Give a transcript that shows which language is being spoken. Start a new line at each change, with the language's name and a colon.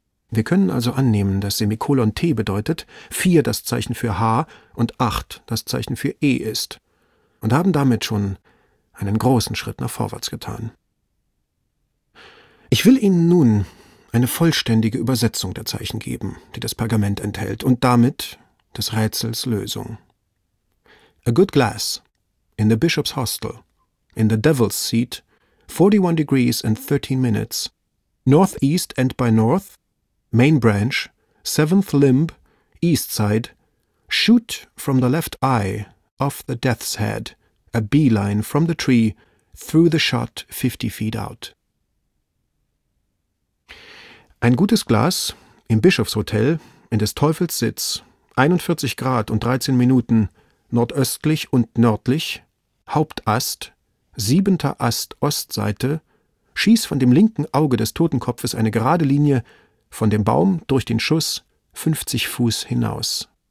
German: Wir können also annehmen, dass Semikolon T bedeutet, 4 das Zeichen für H und 8 das Zeichen für E ist. Und haben damit schon einen großen Schritt nach vorwärts getan. Ich will Ihnen nun eine vollständige Übersetzung der Zeichen geben, die das Pergament enthält, und damit des Rätsels Lösung.
English: A good glass, in the bishop's hostel, in the devil's seat, 41 degrees and 13 minutes, northeast and by north, main branch, seventh limb, east side, shoot from the left eye, off the death's head, a beeline from the tree, through the shot 50 feet out.
German: Ein gutes Glas im Bischofshotel in des Teufels Sitz, 41 Grad und 13 Minuten, nordöstlich und nördlich, Hauptast, siebenter Ast Ostseite, schieß von dem linken Auge des Totenkopfes eine gerade Linie, von dem Baum durch den Schuss 50 Fuß hinaus.